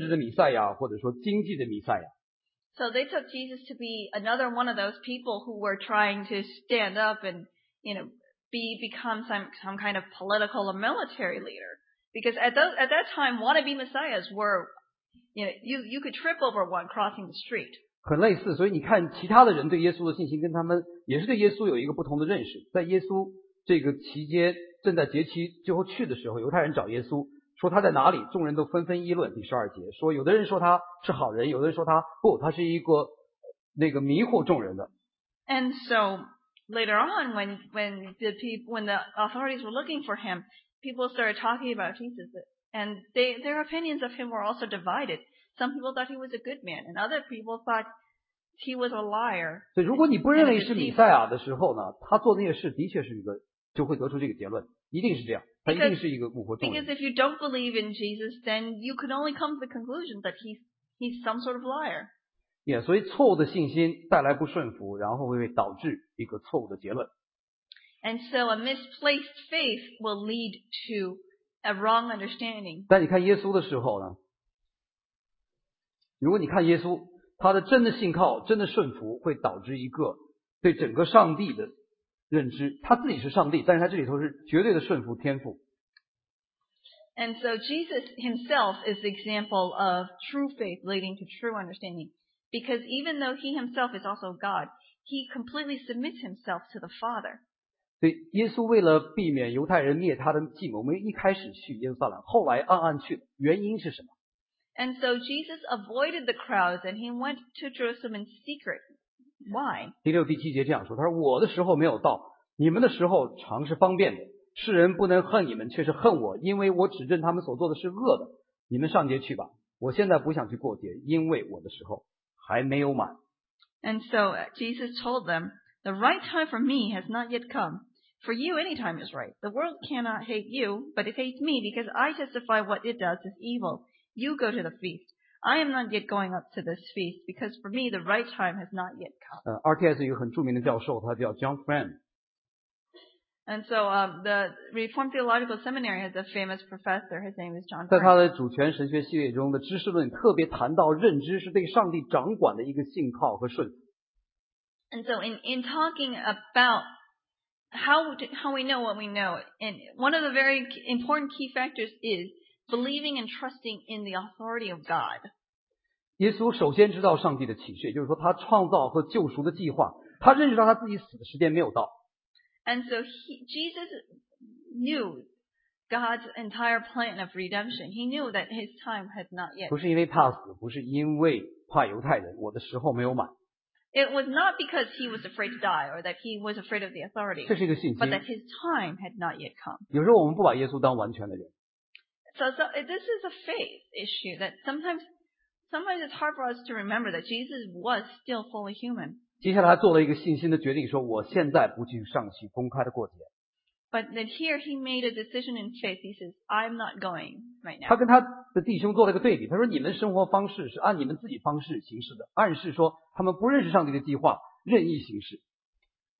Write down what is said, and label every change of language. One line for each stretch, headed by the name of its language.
Chinese: 对，所以你就应该行很多的神迹吸引人，或者要在名城在名处做出你的手段。这也就是说，换句话说，这两个他们的弟兄就是对耶稣的期待，就像我们说的军事的弥赛亚，或者说政治的弥赛亚，或者说经济的弥赛亚。So
English: they took Jesus to be another one of those people who were trying to stand up and you know become some kind of political or military leader because at that time wannabe messiahs were you know you could trip over one crossing the street.
Chinese: 很类似，所以你看其他的人对耶稣的信心跟他们也是对耶稣有一个不同的认识。在耶稣这个期间正在节期最后去的时候，犹太人找耶稣说他在哪里，众人都纷纷议论。第十二节说，有的人说他是好人，有的人说他不，他是一个那个迷惑众人的。
English: And so later on, when the authorities were looking for him, people started talking about Jesus, and their opinions of him were also divided. Some people thought he was a good man, and other people thought he was a liar.
Chinese: 所以如果你不认为是弥赛亚的时候呢，他做那些事的确是一个，就会得出这个结论，一定是这样。
English: Because if you don't believe in Jesus, then you can only come to the conclusion that he's some sort of liar.
Chinese: Yeah, 所以错误的信心带来不顺服，然后会导致一个错误的结论。
English: And so a misplaced faith will lead to a wrong understanding.
Chinese: 但你看耶稣的时候呢？如果你看耶稣，他的真的信靠、真的顺服，会导致一个对整个上帝的。认知他自己是上帝，但是他这里头是绝对的顺服天父。
English: And so Jesus himself is the example of true faith leading to true understanding. Because even though he himself is also God, he completely submits himself to the Father.
Chinese: 对，耶稣为了避免犹太人灭他的计谋，没一开始去耶路撒冷，后来暗暗去，原因是什么？
English: And so Jesus avoided the crowds and he went to Jerusalem in secret. Why?
Chinese: 第六、第七节这样说，他说：“我的时候没有到，你们的时候常是方便的。世人不能恨你们，却是恨我，因为我指证他们所做的是恶的。你们上街去吧，我现在不想去过节，因为我的时候还没有满。”
English: And so Jesus told them, "The right time for me has not yet come. For you, any time is right. The world cannot hate you, but it hates me because I testify what it does is evil. You go to the feast." I am not yet going up to this feast because for me the right time has not yet come.
Chinese: RTS 有一个很著名的教授，他叫 John Frame.
English: And so the Reformed Theological Seminary has a famous professor. His name is John Frame.
Chinese: 在他的主权神学系列中的知识论特别谈到认知是对上帝掌管的一个信靠和顺服。
English: And so in talking about how we know what we know, and one of the very important key factors is. Believing and trusting in the authority of God.
Chinese: 耶稣首先知道上帝的启示，也就是说他创造和救赎的计划，他认识到他自己死的时间没有到。
English: And so Jesus knew God's entire plan of redemption. He knew that his time had not yet.
Chinese: 不是因为怕死，不是因为怕犹太人，我的时候没有满。
English: It was not because he was afraid to die or that he was afraid of the authority.
Chinese: 这是一个信心。
English: But that his time had not yet come.
Chinese: 有时候我们不把耶稣当完全的人。
English: So this is a faith issue that sometimes it's hard for us to remember that Jesus was still fully human.
Chinese: 接下来做了一个信心的决定，说我现在不去上去公开的过节。
English: But then here he made a decision in faith. He says, "I'm not going right now."
Chinese: 他跟他的弟兄做了一个对比，他说：“你们生活方式是按你们自己方式行事的，暗示说他们不认识上帝的计划，任意行事。”